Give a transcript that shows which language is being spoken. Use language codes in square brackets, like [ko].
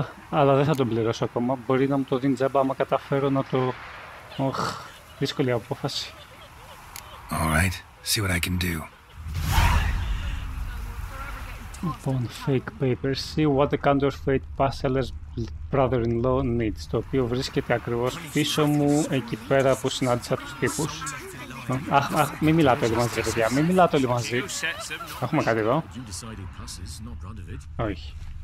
[el] αλλά δεν θα τον πληρώσω ακόμα. Μπορεί να μου το δίνει τζάμπα άμα καταφέρω να το... Οχ, δύσκολη απόφαση. [en] Alright, see what I can do. Λοιπόν, fake papers. See what the counterfeit parcelers brother-in-law needs, [el] το οποίο βρίσκεται ακριβώς πίσω μου, εκεί πέρα που συνάντησα τους τύπους. Αχ, μην μιλάτε όλοι μαζί, παιδιά. Μην μιλάτε όλοι μαζί. Έχουμε κάτι εδώ. Όχι.